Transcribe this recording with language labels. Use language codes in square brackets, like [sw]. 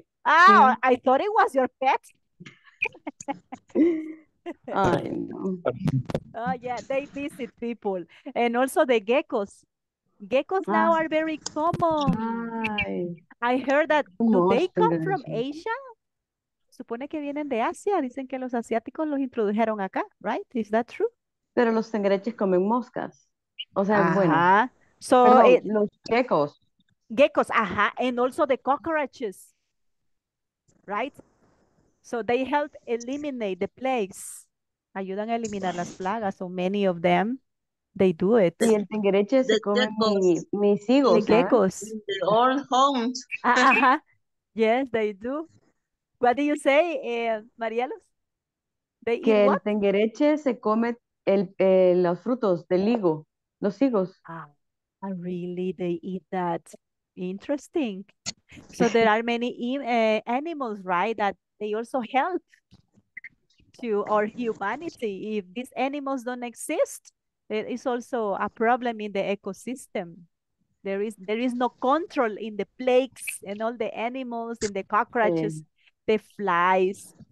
[en] It? Oh, sí. I thought it was your pet. [es] Ay, no. [en] Oh, yeah, they visit people. And also the geckos. Geckos now are very common. Ay. I heard that, do they come from Asia? [es] Supone que vienen de Asia. Dicen que los asiáticos los introdujeron acá, right? [en] Is that true? [es] Pero los tengereches comen moscas. O sea, ajá. Bueno. [en] So [es] los geckos. [en] Geckos, ajá. And also the cockroaches, right? So they help eliminate the plagues. [es] Ayudan a eliminar las plagas. [en] So many of them, they do it. [es] Y el tengereche se come mis higos. [en] The geckos. In the old homes. Ajá. Yes, they do. What do you say, Marielos? They que eat el what? [es] Tengereche se come los frutos del higo, los higos. [en] Ah, really, they eat that. Interesting. So there are many animals, right, that they also help to our humanity. If these animals don't exist, there is also a problem in the ecosystem. There is no control in the plagues and all the animals and the cockroaches. Yeah. The flies.